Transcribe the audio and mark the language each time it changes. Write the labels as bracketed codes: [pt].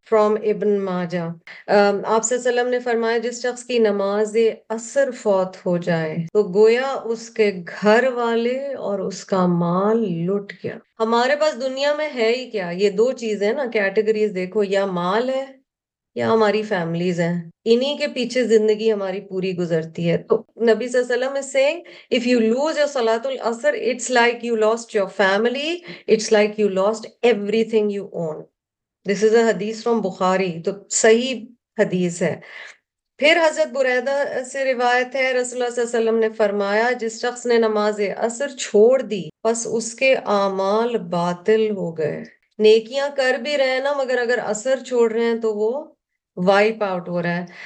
[ur] From ابن ماجہ, آپ صلی اللہ علیہ وسلم نے فرمایا, جس شخص کی نماز عصر فوت ہو جائے تو گویا اس کے گھر والے اور اس کا مال لٹ گیا. ہمارے پاس دنیا میں ہے ہی کیا, یہ دو چیزیں نا کیٹیگریز دیکھو, یا مال ہے یا ہماری فیملیز ہیں, انہی کے پیچھے زندگی ہماری پوری گزرتی ہے. تو نبی [en] صلی اللہ علیہ وسلم is saying, if you lose your salat al-asr, it's like you lost your family, it's like you lost everything you own. This is a حدیث from Bukhari, [ur] تو صحیح حدیث ہے. پھر حضرت بریدہ سے روایت ہے, رسول اللہ صلی اللہ علیہ وسلم نے فرمایا, جس شخص نے نماز عصر چھوڑ دی بس اس کے اعمال باطل ہو گئے. نیکیاں کر بھی رہے نا, مگر اگر عصر چھوڑ رہے ہیں تو وہ وائپ آؤٹ ہو رہا ہے.